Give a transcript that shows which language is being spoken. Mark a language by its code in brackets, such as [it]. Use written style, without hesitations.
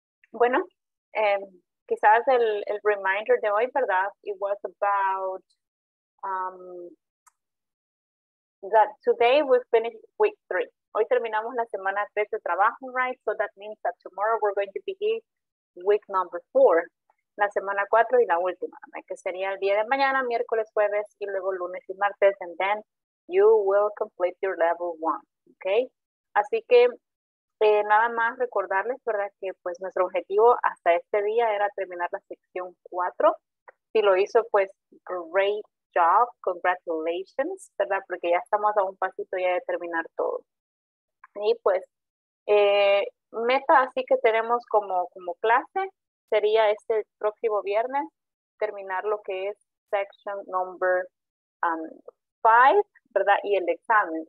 [es] Bueno, quizás el reminder de hoy, ¿verdad? [en] It was about that today we finished week 3. [es] Hoy terminamos la semana 3 de trabajo, [en] right? So that means that tomorrow we're going to begin week number 4. [es] La semana 4 y la última, right? Que sería el día de mañana, miércoles, jueves, y luego lunes y martes. [en] And then you will complete your level 1, okay? [es] Así que nada más recordarles, ¿verdad? Que pues nuestro objetivo hasta este día era terminar la sección 4. Si lo hizo, pues, [en] great job, congratulations, [es] ¿verdad? Porque ya estamos a un pasito ya de terminar todo. Y pues, meta así que tenemos como clase sería este próximo viernes terminar lo que es section number 5, ¿verdad? Y el examen.